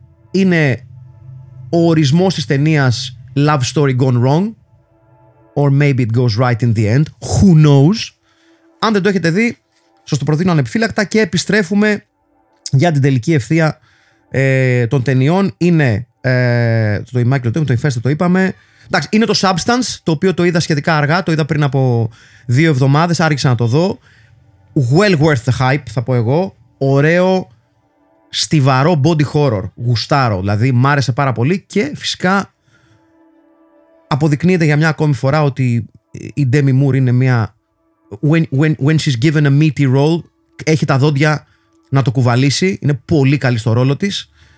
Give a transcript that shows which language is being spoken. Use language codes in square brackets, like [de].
[el] Είναι ο ορισμός της ταινίας Love Story Gone Wrong, [en] or maybe it goes right in the end, who knows. [el] Αν δεν το έχετε δει, σας το προτείνω ανεπιφύλακτα και επιστρέφουμε για την τελική ευθεία των ταινιών. Είναι το Michael Tomb, το Infested, το είπαμε. Εντάξει, είναι το Substance, το οποίο το είδα σχετικά αργά, το είδα πριν από 2 εβδομάδες, άρχισα να το δω. [en] Well worth the hype, [el] θα πω εγώ. Ωραίο, στιβαρό body horror, γουστάρο, δηλαδή μ' άρεσε πάρα πολύ και φυσικά αποδεικνύεται για μια ακόμη φορά ότι η Demi Moore είναι μια [en] when she's given a meaty role, [el] έχει τα δόντια να το κουβαλήσει, είναι πολύ καλή στο ρόλο της,